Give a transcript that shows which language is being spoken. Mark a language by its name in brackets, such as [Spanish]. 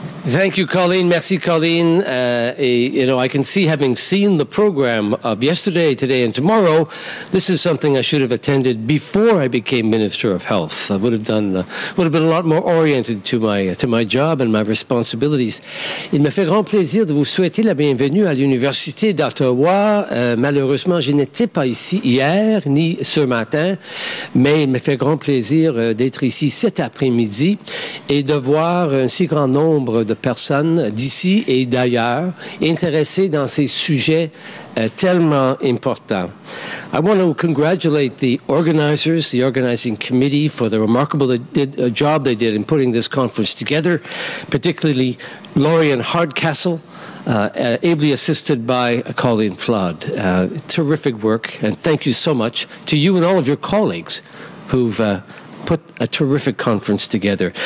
[English] Thank you, Colleen. [French] Merci, Colleen. [English] I can see, having seen the program of yesterday, today, and tomorrow, this is something I should have attended before I became Minister of Health. I would have done, would have been a lot more oriented to my job and my responsibilities. [French] Il me fait grand plaisir de vous souhaiter la bienvenue à l'Université d'Ottawa. Malheureusement, je n'étais pas ici hier ni ce matin, mais il me fait grand plaisir d'être ici cet après-midi et de voir un si grand nombre de personnes d'ici et d'ailleurs intéressées dans ces sujets tellement importants. [English] I want to congratulate the organizers, the organizing committee, for the remarkable job they did in putting this conference together, particularly Laurie and Hardcastle, ably assisted by Colleen Flood. Terrific work, and thank you so much to you and all of your colleagues who've put a terrific conference together.